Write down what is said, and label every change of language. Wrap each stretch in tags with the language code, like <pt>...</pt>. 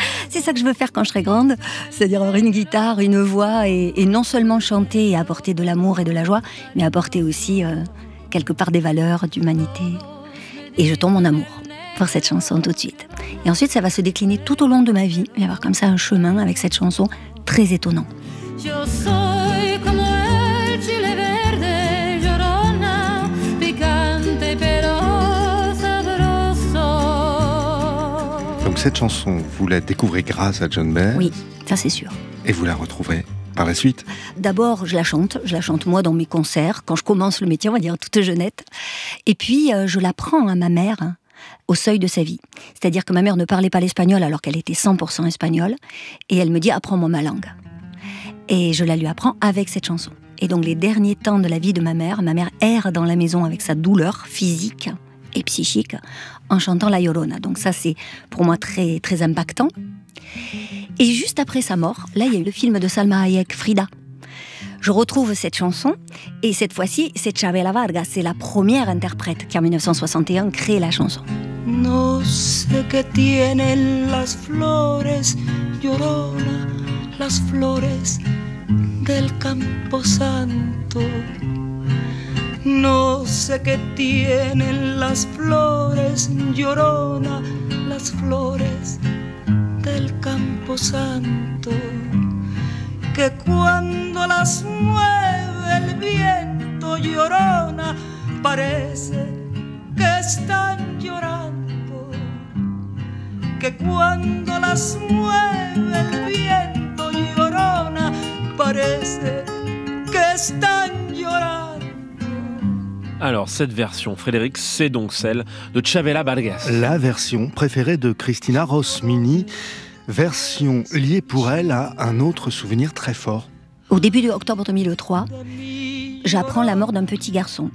<fr>C'est ça que je veux faire quand je serai grande. C'est-à-dire avoir une guitare, une voix, et non seulement chanter et apporter de l'amour et de la joie, mais apporter aussi quelque part des valeurs, d'humanité. Et je tombe en amour pour cette chanson tout de suite. Et ensuite, ça va se décliner tout au long de ma vie, et avoir comme ça un chemin avec cette chanson très étonnant.</fr> <es>Yo soy como el chile verde, llorona, picante pero sabroso.</es> <fr>Donc cette chanson, vous la découvrez grâce à John Baez? Oui, ça c'est sûr. Et vous la retrouverez par la suite? D'abord, je la chante moi dans mes concerts, quand je commence le métier, on va dire toute jeunette. Et puis, je la prends à ma mère, au seuil de sa vie. C'est-à-dire que ma mère ne parlait pas l'espagnol alors qu'elle était 100% espagnole. Et elle me dit « Apprends-moi ma langue ». Et je la lui apprends avec cette chanson. Et donc les derniers temps de la vie de ma mère erre dans la maison avec sa douleur physique et psychique en chantant la Llorona. Donc ça, c'est pour moi très, très impactant. Et juste après sa mort, là, il y a eu le film de Salma Hayek, Frida. Je retrouve cette chanson, et cette fois-ci, c'est Chavela Vargas, c'est la première interprète qui, en 1961, crée la chanson.</fr> <es>No sé qué tienen las flores, llorona, las flores del campo santo. No sé qué tienen las flores, llorona, las flores del campo santo. Que cuando las mueve el viento, llorona, parece que están llorando. Que cuando las mueve el viento, llorona, parece que están llorando.</es> <fr>Alors, cette version, Frédéric, c'est donc celle de Chavela Vargas. La version préférée de Christina Rosmini, version liée pour elle à un autre souvenir très fort. Au début de octobre 2003, j'apprends la mort d'un petit garçon.</fr>